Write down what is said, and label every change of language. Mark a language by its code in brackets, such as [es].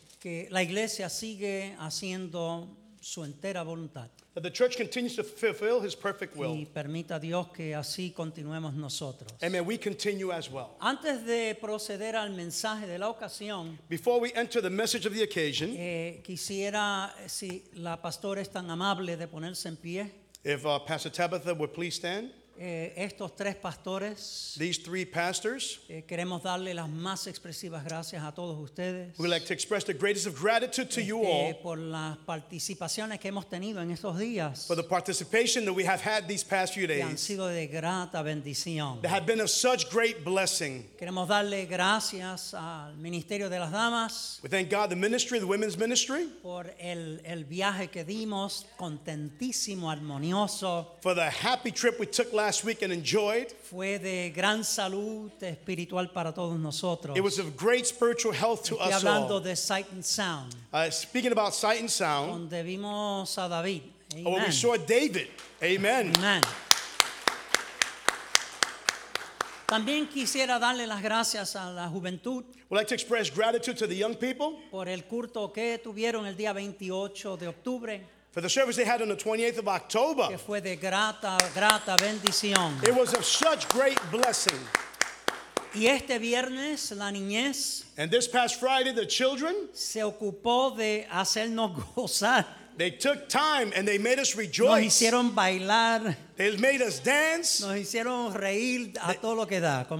[es] Que la iglesia sigue haciendo su entera voluntad. [en] That the church continues to fulfill his perfect will. [es] Y permita Dios que así continuemos nosotros. [en] And may we continue as well. [es] Antes de proceder al mensaje de la ocasión. [en] Before we enter the message of the occasion. [es] Quisiera, si la pastora es tan amable de ponerse en pie. [en] If Pastor Tabitha would please stand. [es] Estos tres pastores, [en] these three pastors, [es] queremos darle las más expresivas gracias a todos ustedes. [en] We'd like to express the greatest of gratitude to you all [es] por las participaciones que hemos tenido en estos días. [en] For the participation that we have had these past few days, [es] que han sido de grata bendición. [en] That have been of such great blessing. [es] Queremos darle gracias al ministerio de las damas. [en] We thank God the ministry, the women's ministry, [es] por el viaje que dimos, contentísimo, armonioso. [en] For the happy trip we took last week and enjoyed. [es] Fue de gran salud espiritual para todos nosotros. [en] It was of great spiritual health to us all. [es] Estoy hablando de Sight and Sound. [en] Speaking about Sight and Sound. [es] Donde vimos a David. Amen. [en] Oh, we saw David. Amen. Amen. [es] También quisiera darle las gracias a la juventud. [en] We'd like to express gratitude to the young people. [es] Por el culto que tuvieron el día 28 de octubre. [en] For the service they had on the 28th of October. [es] Que fue de grata bendición. [en] It was of such great blessing. [es] Y este viernes, la niñez. [en] And this past Friday, the children. [es] Se ocupó de hacernos gozar. [en] They took time and they made us rejoice. [es] Nos hicieron bailar. [en] They made us dance. [es] Nos hicieron reír a todo lo que da, como